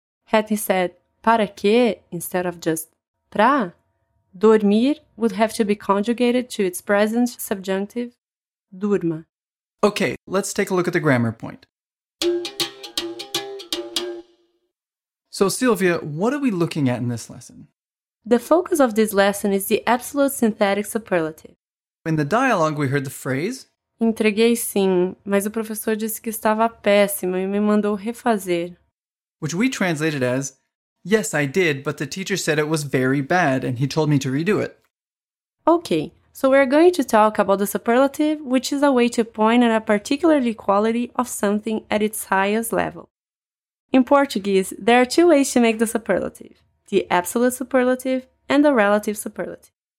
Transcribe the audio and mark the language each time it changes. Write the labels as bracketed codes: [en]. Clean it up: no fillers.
[en] Had he said para que instead of just pra, dormir would have to be conjugated to its present subjunctive, durma. Okay, let's take a look at the grammar point. So, Silvia, what are we looking at in this lesson? The focus of this lesson is the absolute synthetic superlative. In the dialogue, we heard the phrase... [pt] Entreguei sim, mas o professor disse que estava péssimo e me mandou refazer. [en] Which we translated as, yes, I did, but the teacher said it was very bad and he told me to redo it. Okay, so we're going to talk about the superlative, which is a way to point at a particular quality of something at its highest level. In Portuguese, there are two ways to make the superlative, the absolute superlative and the relative superlative.